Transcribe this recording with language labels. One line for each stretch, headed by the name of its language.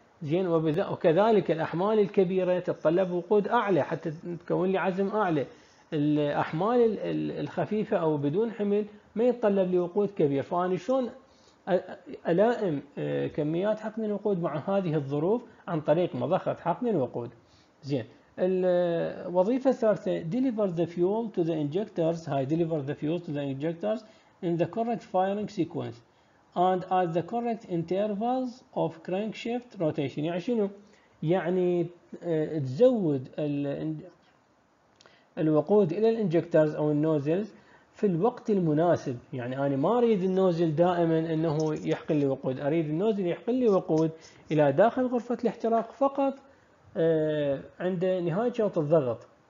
Arabic: زين وكذلك الاحمال الكبيره تتطلب وقود اعلى حتى تكون لي عزم اعلى، الاحمال الخفيفه او بدون حمل ما يتطلب لي وقود كبير. فانا شلون ألائم كميات حقن الوقود مع هذه الظروف؟ عن طريق مضخة حقن الوقود. زين الوظيفة الثالثة،
English: deliver the fuel to the injectors.
Arabic: هاي
English: deliver the fuel to the injectors in the correct firing sequence and at the correct intervals of crankshaft rotation.
Arabic: يعني شنو؟ يعني تزود الوقود إلى الانجكتورز أو النوزلز في الوقت المناسب. يعني انا ما اريد النوزل دائما انه يحقن لي وقود، اريد النوزل يحقن لي وقود الى داخل غرفة الاحتراق فقط عند نهاية شوط الضغط.